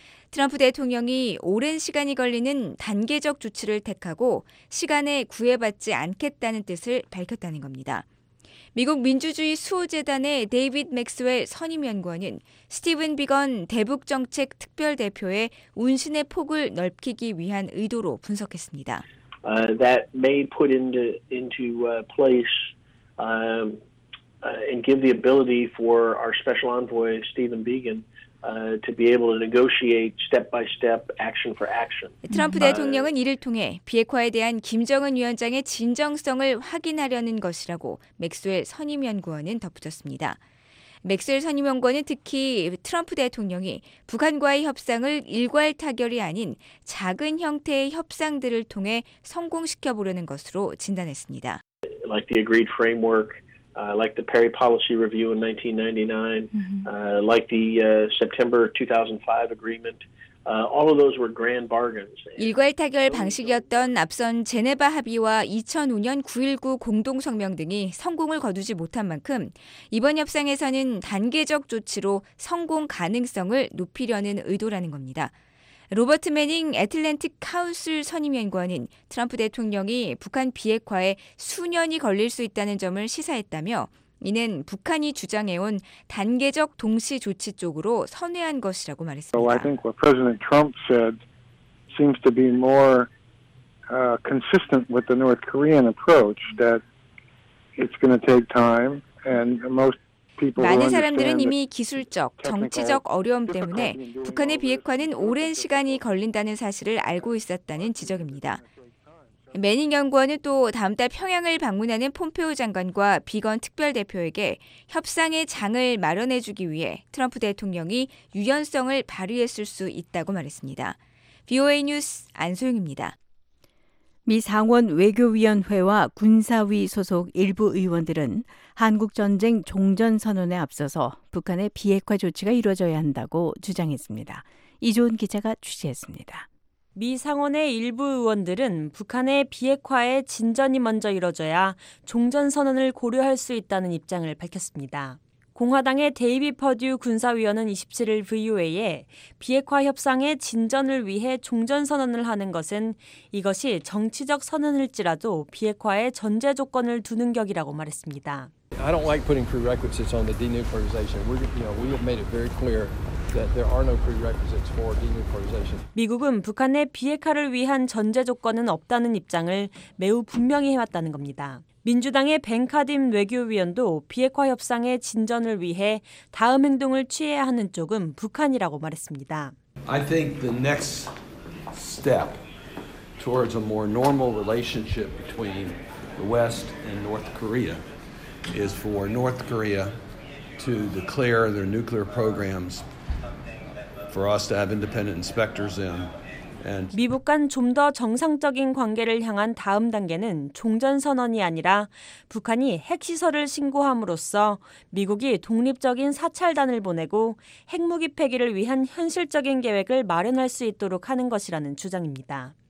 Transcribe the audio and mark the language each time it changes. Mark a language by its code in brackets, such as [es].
[ko] 트럼프 대통령이 오랜 시간이 걸리는 단계적 조치를 택하고 시간에 구애받지 않겠다는 뜻을 밝혔다는 겁니다. 미국 민주주의 수호재단의 데이빗 맥스웰 선임연구원은 스티븐 비건 대북정책특별대표의 운신의 폭을 넓히기 위한 의도로 분석했습니다. [en] That may put into place and give the ability for our special envoy Stephen Biegun to be able to negotiate step by step, action for action. [ko] 트럼프 대통령은 이를 통해 비핵화에 대한 김정은 위원장의 진정성을 확인하려는 것이라고 맥스웰 선임연구원은 덧붙였습니다. 맥스웰 선임연구원은 특히 트럼프 대통령이 북한과의 협상을 일괄 타결이 아닌 작은 형태의 협상들을 통해 성공시켜 보려는 것으로 진단했습니다. [en] Like the agreed framework. Like the Perry Policy Review in 1999, like the September 2005 agreement, All of those were grand bargains. [ko] 일괄 타결 방식이었던 앞선 제네바 합의와 2005년 9.19 공동성명 등이 성공을 거두지 못한 만큼 이번 협상에서는 단계적 조치로 성공 가능성을 높이려는 의도라는 겁니다. 로버트 매닝 애틀랜틱 카운슬 선임연구원은 트럼프 대통령이 북한 비핵화에 수년이 걸릴 수 있다는 점을 시사했다며 이는 북한이 주장해온 단계적 동시 조치 쪽으로 선회한 것이라고 말했습니다. [en] So I think what President Trump said seems to be more consistent with the North Korean approach that it's going to take time and most [ko] 많은 사람들은 이미 기술적, 정치적 어려움 때문에 북한의 비핵화는 오랜 시간이 걸린다는 사실을 알고 있었다는 지적입니다. 매닝 연구원은 또 다음 달 평양을 방문하는 폼페오 장관과 비건 특별대표에게 협상의 장을 마련해주기 위해 트럼프 대통령이 유연성을 발휘했을 수 있다고 말했습니다. VOA 뉴스 안소영입니다. 미 상원 외교위원회와 군사위 소속 일부 의원들은 한국전쟁 종전선언에 앞서서 북한의 비핵화 조치가 이루어져야 한다고 주장했습니다. 이조은 기자가 취재했습니다. 미 상원의 일부 의원들은 북한의 비핵화에 진전이 먼저 이루어져야 종전선언을 고려할 수 있다는 입장을 밝혔습니다. 공화당의 데이비 퍼듀 군사위원은 27일 VOA에 비핵화 협상의 진전을 위해 종전선언을 하는 것은 이것이 정치적 선언일지라도 비핵화에 전제 조건을 두는 격이라고 말했습니다. [en] I don't like putting prerequisites on the denuclearization. We have made it very clear that there are no prerequisites for denuclearization. [ko] 미국은 북한의 비핵화를 위한 전제 조건은 없다는 입장을 매우 분명히 해왔다는 겁니다. 민주당의 벤카딤 외교위원도 비핵화 협상의 진전을 위해 다음 행동을 취해야 하는 쪽은 북한이라고 말했습니다. [en] I think the next step towards a more normal relationship between the West and North Korea is for North Korea to declare their nuclear programs for us to have independent inspectors in. [ko] 미북 간 좀 더 정상적인 관계를 향한 다음 단계는 종전선언이 아니라 북한이 핵시설을 신고함으로써 미국이 독립적인 사찰단을 보내고 핵무기 폐기를 위한 현실적인 계획을 마련할 수 있도록 하는 것이라는 주장입니다.